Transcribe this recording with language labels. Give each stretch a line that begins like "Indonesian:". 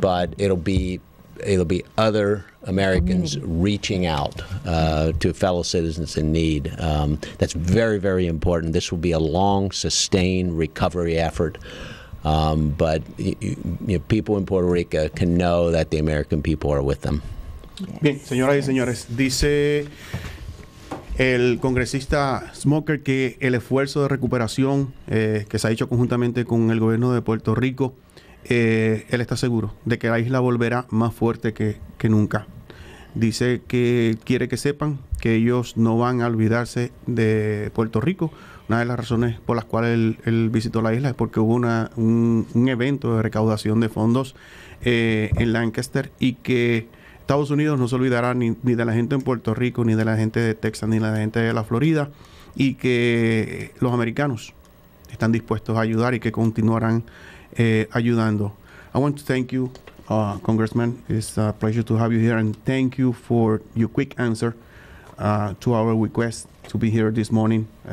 English: but it'll be other Americans reaching out to fellow citizens in need. That's very, very important. This will be a long, sustained recovery effort. But you know, people in Puerto Rico can know that the American people are with them. Yes.
Spanish: Bien, señoras y señores, dice el congresista Smucker que el esfuerzo de recuperación que se ha hecho conjuntamente con el gobierno de Puerto Rico, él está seguro de que la isla volverá más fuerte que nunca. Dice que quiere que sepan que ellos no van a olvidarse de Puerto Rico. Una de las razones por las cuales él visitó la isla es porque hubo un evento de recaudación de fondos en Lancaster y que Estados Unidos no se olvidará ni de la gente en Puerto Rico, ni de la gente de Texas, ni de la gente de la Florida, y que los americanos están dispuestos a ayudar y que continuarán ayudando.
English: I want to thank you, Congressman. It's a pleasure to have you here, and thank you for your quick answer to our request to be here this morning.